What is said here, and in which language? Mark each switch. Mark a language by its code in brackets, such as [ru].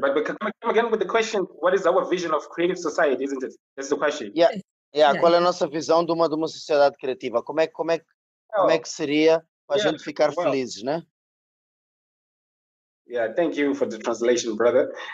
[en] But come again with the question, what is our vision of creative society, isn't it? That's the question. Yeah. [pt] Qual é a nossa visão de uma sociedade criativa? Como é que seria para a gente ficar felizes, né? [en] Yeah, thank you for the translation, brother.